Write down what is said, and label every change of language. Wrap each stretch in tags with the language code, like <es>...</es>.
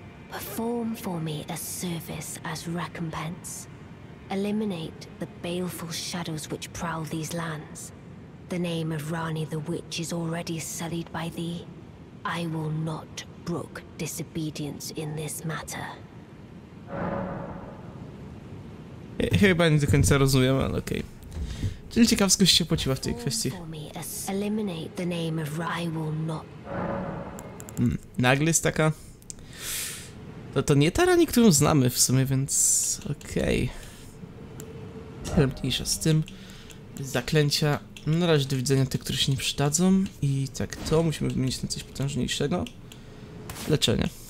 <en>Perform for me a service as recompense. Eliminate the baleful shadows which prowl these lands. The name of Rani the Witch is already sullied by thee. I will not brook disobedience in this matter.</en> <pl>Chyba nie do końca rozumiem, ale okej. Czyli ciekawsko się płaciła w tej kwestii.</pl> <en>Eliminate the name of Rani the Witch.</en> <pl>Nagle jest taka... To nie ta Rani, którą znamy w sumie, więc okej. Ale mniejsza z tym. Zaklęcia. Na razie do widzenia te, które się nie przydadzą. I tak, to musimy wymienić na coś potężniejszego. Leczenie.</pl>